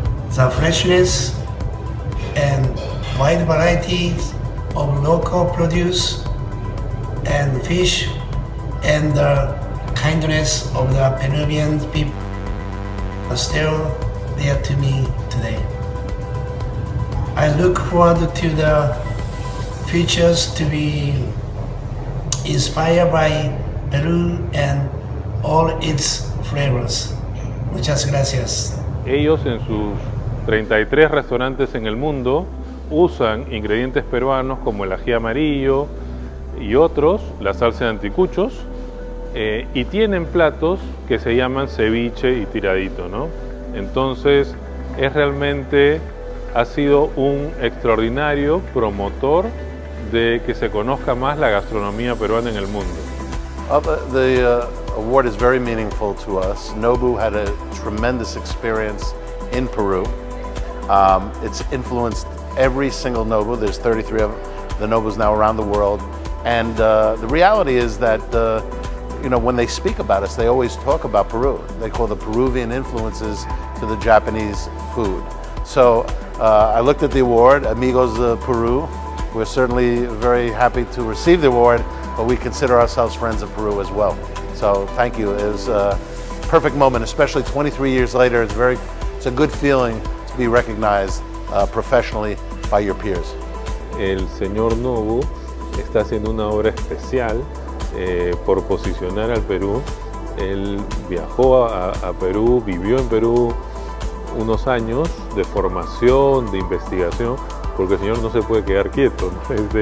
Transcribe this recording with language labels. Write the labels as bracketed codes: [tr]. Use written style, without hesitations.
[en] The freshness and wide varieties of local produce and fish and the kindness of the Peruvian people are still there to me today. I look forward to the future to be inspired by Peru and all its flavors. [es] Muchas gracias. Ellos en sus 33 restaurantes en el mundo usan ingredientes peruanos como el ají amarillo y otros, la salsa de anticuchos, y tienen platos que se llaman ceviche y tiradito, ¿no? Entonces, es realmente, ha sido un extraordinario promotor de que se conozca más la gastronomía peruana en el mundo. [en] The award is very meaningful to us. Nobu had a tremendous experience in Peru. It's influenced every single Nobu. There's 33 of the Nobus now around the world. And the reality is that, you know, when they speak about us, they always talk about Peru. They call the Peruvian influences to the Japanese food. So I looked at the award, Amigos de Peru. We're certainly very happy to receive the award, but we consider ourselves friends of Peru as well. So thank you. It was a perfect moment, especially 23 years later. It's a good feeling to be recognized professionally by your peers. [es] El señor Nobu está haciendo una obra especial por posicionar al Perú. Él viajó a Perú, vivió en Perú unos años de formación, de investigación, porque el señor no se puede quedar quieto, ¿no?